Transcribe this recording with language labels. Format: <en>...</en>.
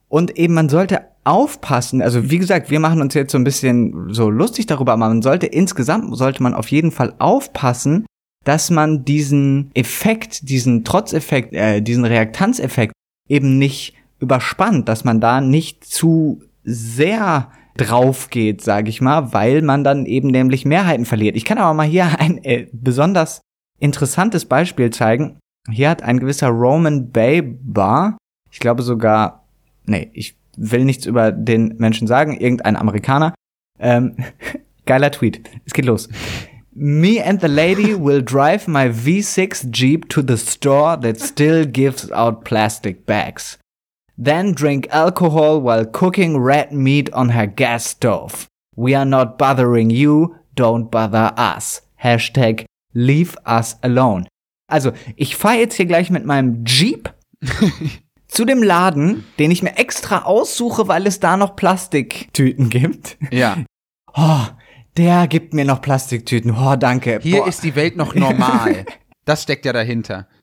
<de>Und eben, man sollte aufpassen, also wie gesagt, wir machen uns jetzt so ein bisschen so lustig darüber, aber insgesamt sollte man auf jeden Fall aufpassen, dass man diesen Effekt, diesen Trotzeffekt, diesen Reaktanzeffekt eben nicht überspannt, dass man da nicht zu sehr drauf geht, sage ich mal, weil man dann eben nämlich Mehrheiten verliert. Ich kann aber mal hier ein besonders interessantes Beispiel zeigen. Hier hat ein gewisser Roman Baber, ich glaube sogar, nee, ich will nichts über den Menschen sagen, irgendein Amerikaner, geiler Tweet, es geht los.</de> <en>Me and the lady will drive my V6 Jeep to the store that still gives out plastic bags. Then drink alcohol while cooking red meat on her gas stove. We are not bothering you, don't bother us. Hashtag leave us alone.</en> <de>Also, ich fahre jetzt hier gleich mit meinem Jeep zu dem Laden, den ich mir extra aussuche, weil es da noch Plastiktüten gibt. Ja. Oh. Der gibt mir noch Plastiktüten. Boah, danke. Hier Boah. Ist die Welt noch normal. Das steckt ja dahinter.</de>